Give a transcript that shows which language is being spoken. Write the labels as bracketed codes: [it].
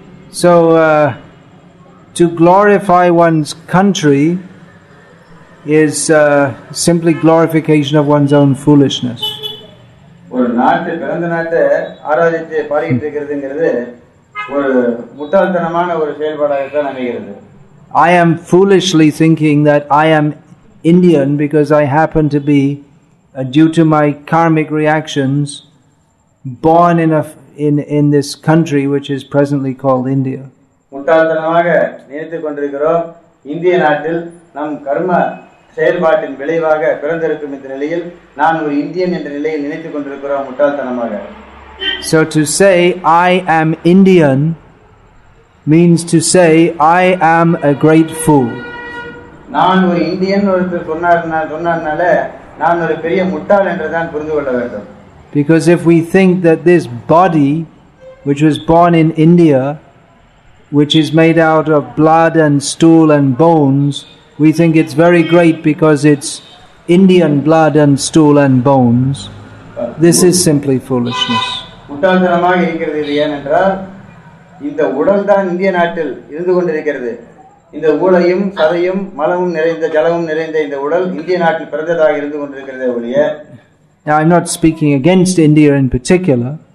[en] So, to glorify one's country is simply glorification of one's own foolishness. [ta] ஒரு நாட்டு பிறந்த நாட்டை ஆராதித்து பாடிட்டு இருக்கிறதுங்கிறது ஒரு முட்டாள்தனமான ஒரு செயல்பாடாகத்தான் அமைகிறது. [en] I am foolishly thinking that I am Indian because I happen to be, due to my karmic reactions, born in this country which is presently called India. [ta] முட்டாள்தனமாக நினைத்துக் கொண்டிருக்கிறோம் இந்திய நாட்டில் நம் கர்ம செயல்பாட்டின் விளைவாக பிறந்திருக்கும் இந்த நிலையில் நான் ஒரு இந்தியன் என்ற நிலையில் நினைத்துக் கொண்டிருக்கிறோம் முட்டாள்தனமாக. [en] So to say I am Indian means to say I am a great fool. [ta] நான் ஒரு இந்தியன் ஒருத்தர் சொன்னார்னால நான் ஒரு பெரிய முட்டாள் என்றுதான் புரிந்து கொள்ள வேண்டும். [en] Because if we think that this body which was born in India, which is made out of blood and stool and bones, we think it's very great because it's Indian blood and stool and bones, this is simply foolishness. [ta] முட்டாள்தனமாக இருக்கிறது ஏனென்றால் இந்த உடல் தான் இந்திய நாட்டில் இருந்து கொண்டிருக்கிறது. இந்த ஊழையும் சதையும் மலமும் நிறைந்த ஜலமும் நிறைந்த இந்த உடல் இந்திய நாட்டில் பிறந்ததாக இருந்து கொண்டிருக்கிறது. [en] ஒழிய Now, I'm not speaking against India in particular.